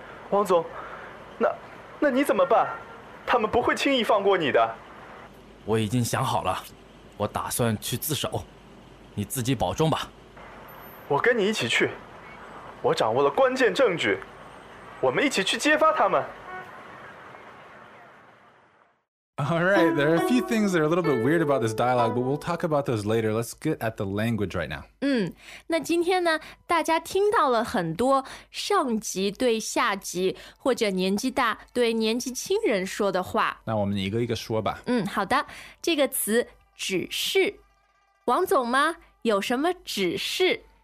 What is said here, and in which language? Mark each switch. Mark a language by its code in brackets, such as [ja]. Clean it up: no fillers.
[zh] 王总，那你怎么办？他们不会轻易放过你的。我已经想好了，我打算去自首，你自己保重吧。我跟你一起去，我掌握了关键证据，我们一起去揭发他们。 [en] All right, there are a few things that are a little bit weird about this dialogue, but we'll talk about those later. Let's get at the language right now. [zh] 那今天呢，大家听到了很多上级对下级或者年纪大对年纪轻人说的话。那我们一个一个说吧。好的，这个词。指示，王总吗？有什么指示？